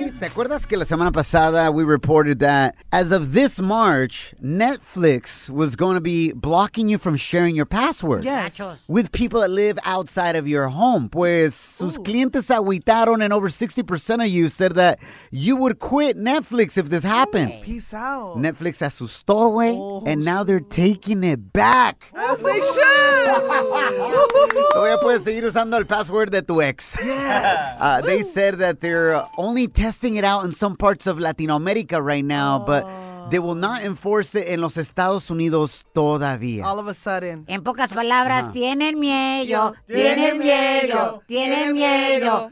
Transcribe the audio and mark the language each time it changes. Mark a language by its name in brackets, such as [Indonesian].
[Spanish] ¿Te acuerdas que la semana pasada [English] we reported that as of this March, Netflix was going to be blocking you from sharing your passwords? Yes. With people that live outside of your home. [Spanish] Pues sus clientes agüitaron [English] and over 60% of you said that you would quit Netflix if this happened. Peace out. Netflix [Spanish] asustó, güey, [English] and now they're taking it back. As they should. [Spanish] Todavía puedes seguir usando el password de tu ex. [English] Yes. They said that they're only testing it out in some parts of Latin America right now, but they will not enforce it in [Spanish] los Estados Unidos todavía. [English] All of a sudden. [Spanish] En pocas palabras, tienen miedo, tienen miedo, tienen miedo.